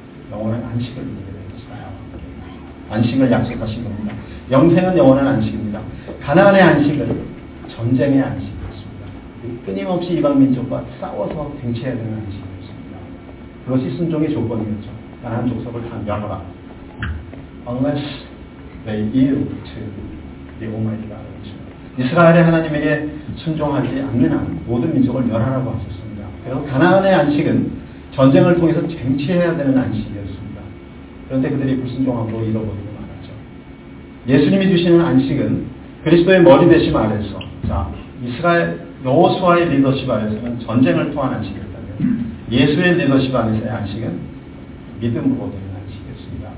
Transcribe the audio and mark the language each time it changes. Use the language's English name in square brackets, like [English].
[Korean] 영원한 안식을 누리게 될 것이다. 안식을 약속하신 겁니다. 영생은 영원한 안식입니다. 가나안의 안식은 전쟁의 안식이었습니다. 끊임없이 이방민족과 싸워서 쟁취해야 되는 안식이었습니다. 그것이 순종의 조건이었죠. 가나안 족속을 다 멸하라. [English] Unless they yield to the Almighty God. [Korean] 이스라엘의 하나님에게 순종하지 않는 한 모든 민족을 멸하라고 하셨습니다. 그래서 가나안의 안식은 전쟁을 통해서 쟁취해야 되는 안식이었습니다. 그런데 그들이 불순종함으로 잃어버리고 말았죠. 예수님이 주시는 안식은 그리스도의 머리 대신 아래서 자 이스라엘 여호수아의 리더십 아래서는 전쟁을 통한 안식이었다면 예수의 리더십 아래서의 안식은 믿음으로 되는 안식이었습니다.